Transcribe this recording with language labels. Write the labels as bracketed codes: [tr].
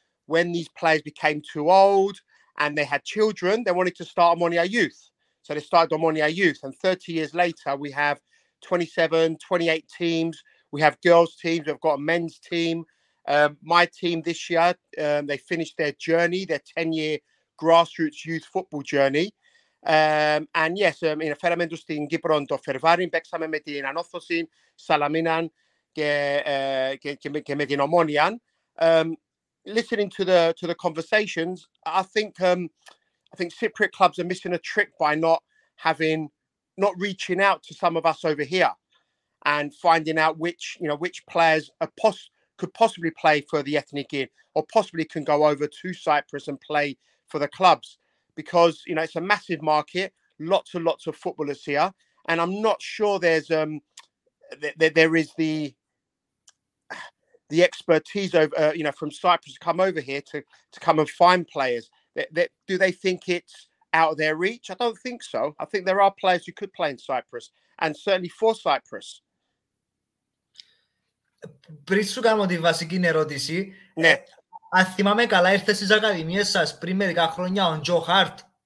[en] When these players became too old and they had children, they wanted to start Ομόνοια Youth. So they started Ομόνοια Youth. And 30 years later, we have 27, 28 teams. We have girls' teams. We've got a men's team. My team this year, they finished their journey, their 10-year grassroots youth football journey. [el] And φέραμεντος στην Κύπρο το Φερβάριν, παίξαμε με την Ανόρθωση, Σαλαμίναν, και με την Ομόνοια. [en] Listening to the conversations, I think Cypriot clubs are missing a trick by not reaching out to some of us over here and finding out which players could possibly play for the ethnic gear or possibly can go over to Cyprus and play for the clubs, because it's a massive market, lots and lots of footballers here, and I'm not sure there is the expertise of from Cyprus to come over here to come and find players. Do they think it's out of their reach? I don't think so. I think there are players who could play in Cyprus, and certainly for Cyprus. [el] Πριν σου κάνω τη βασική ερώτηση, ναι. Αν θυμάμαι καλά, ήρθε στις ακαδημίες σας πριν μερικά χρόνια ο Τζο Χαρτ.